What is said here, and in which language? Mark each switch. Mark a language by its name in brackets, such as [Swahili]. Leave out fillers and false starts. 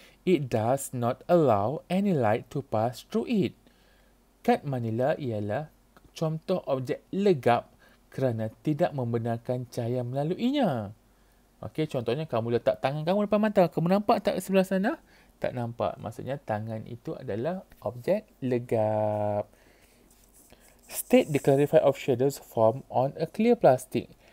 [English] It does not allow any light to pass through it. [Malay] Kad Manila ialah contoh objek legap kerana tidak membenarkan cahaya melaluinya. Okey, contohnya kamu letak tangan kamu depan mata. Kamu nampak tak sebelah sana? Tak nampak. Maksudnya tangan itu adalah objek legap. [English] State the clarified of shadows form on a clear plastic.